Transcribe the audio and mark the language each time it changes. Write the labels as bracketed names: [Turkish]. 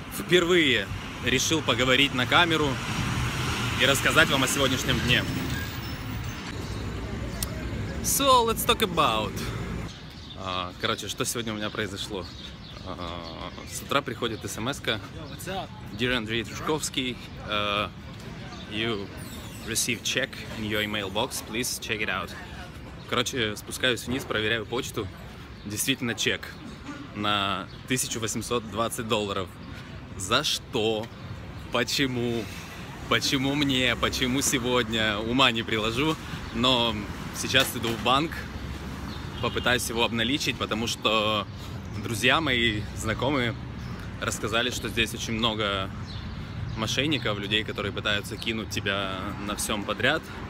[Russian] впервые решил поговорить на камеру и рассказать вам о сегодняшнем дне. [English] So, let's talk about. [Russian] Короче, что сегодня у меня произошло? С утра приходит смс-ка. [English] Dear Andrey Trushkovsky, you received check in your email box, please check it out. [Russian] Короче, спускаюсь вниз, проверяю почту. Действительно, чек на $1820. За что? Почему? Почему мне? Почему сегодня? Ума не приложу. Но сейчас иду в банк, попытаюсь его обналичить, потому что друзья мои, знакомые рассказали, что здесь очень много мошенников, людей, которые пытаются кинуть тебя на всем подряд.